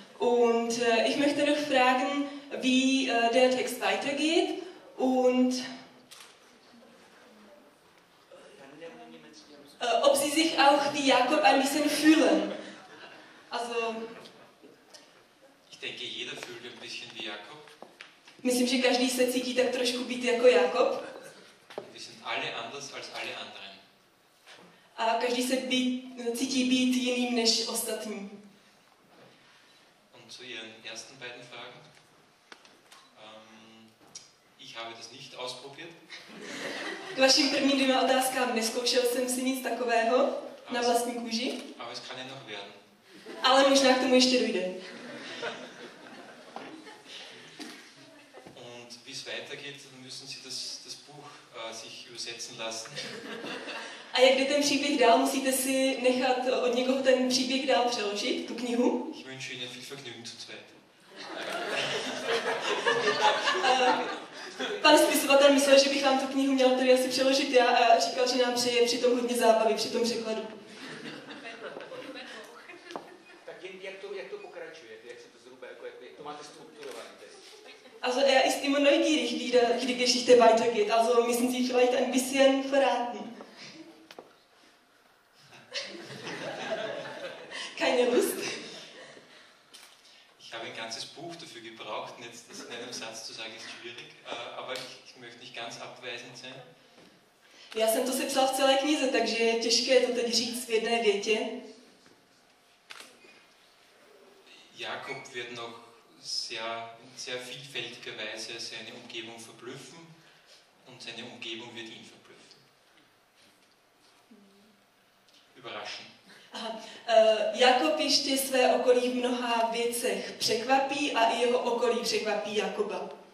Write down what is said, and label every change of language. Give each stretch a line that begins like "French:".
German: Und ich möchte noch fragen, wie der Text weitergeht. Und ob Sie sich auch wie Jakob ein bisschen fühlen. Also, ich denke, jeder fühlt ein bisschen wie Jakob.
Czech: Myslím, že každý se cítí tak trošku být jako Jakob.
German: Wir sind alle anders als alle anderen.
Czech: A každý se cítí být jiným než ostatní.
German: Und zu Ihren ersten beiden Fragen. Ich habe das nicht ausprobiert.
Czech: K vašim prvním dvěma otázkám neskoušel jsem si nic takového na vlastní kůži.
German: Aber es kann ja noch werden.
Czech: Ale možná k tomu ještě dojde.
German: Und wie es weitergeht, dann müssen Sie das Buch sich übersetzen lassen.
Czech: A jak jde ten příběh dál, musíte si nechat od někoho ten příběh dál přeložit, tu knihu?
German: Ich wünsche Ihnen viel Vergnügen zu zweit.
Czech: Pan spisovatel myslel, že bych vám tu knihu měl tady asi přeložit já a říkal, že nám přeje při tom hodně zábavy, při tom překladu. Tak jak to pokračuje? Jak se to zhruba, jak to máte strukturované?
German: Also er ist immer neugierig, wie die Geschichte weitergeht. Also müssen Sie vielleicht ein bisschen verraten. Keine Lust. Ich habe ein ganzes Buch dafür gebraucht, und jetzt das in einem Satz zu sagen, ist schwierig, aber ich möchte nicht ganz abweisend sein.
Czech: Já jsem to sepsal v celé knize, takže je těžké to teď říct v jedné větě.
German: Jakob wird noch sehr vielfältigerweise seine Umgebung verblüffen und seine Umgebung wird ihn verblüffen. Überraschen.
Czech: Jakob ještě své okolí v mnoha věcech překvapí a i jeho okolí překvapí Jakoba.